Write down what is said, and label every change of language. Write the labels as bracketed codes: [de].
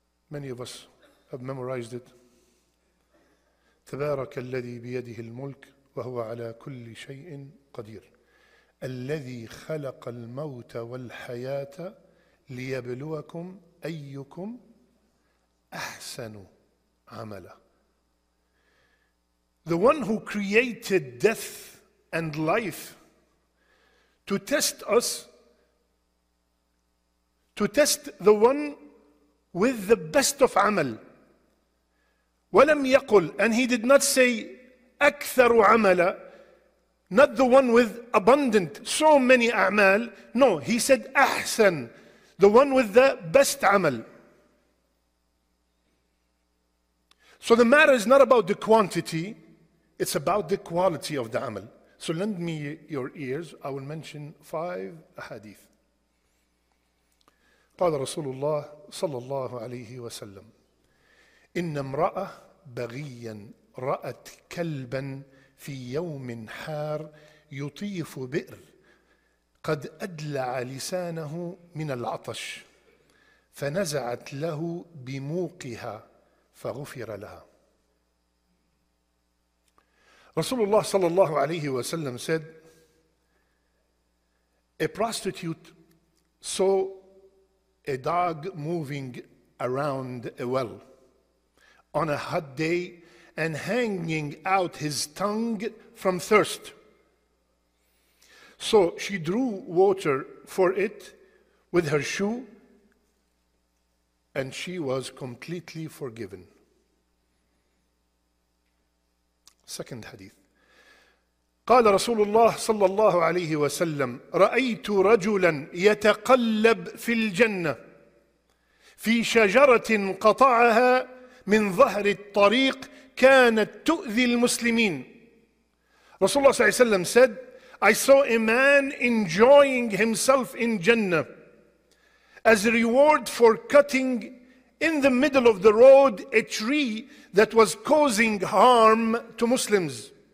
[en] Many of us have memorized it. [ar] تبارك الذي بيده الملك وهو على كل شيء قدير الذي خلق الموت والحياة ليبلوكم أيكم أحسن عملا. [en] The one who created death and life to test us, to test the one with the best of amal. [ar] وَلَمْ يَقُلْ, [en] and he did not say [ar] أَكْثَرُ عَمَلًا, [en] not the one with abundant, so many a'mal. No, he said أَحْسَن, the one with the best amal. So the matter is not about the quantity, it's about the quality of the amal. So lend me your ears, I will mention five ahadith. [ar] قال رسول الله صلى الله عليه وسلم إن امرأة بغيا رأت كلبا في يوم حار يطيف بئر قد أدلع لسانه من العطش فنزعت له بموقها فغفر لها. رسول الله صلى الله عليه وسلم [en] said, a prostitute saw a dog moving around a well on a hot day and hanging out his tongue from thirst. So she drew water for it with her shoe and she was completely forgiven. Second hadith. [ar] قال رسول الله صلى الله عليه وسلم رأيت رجلا يتقلب في الجنة في شجرة قطعها من ظهر الطريق كانت تؤذي المسلمين. رسول الله صلى الله عليه وسلم [en] said, I saw a man enjoying himself in Jannah as a reward for cutting in the middle of the road a tree that was causing harm to Muslims.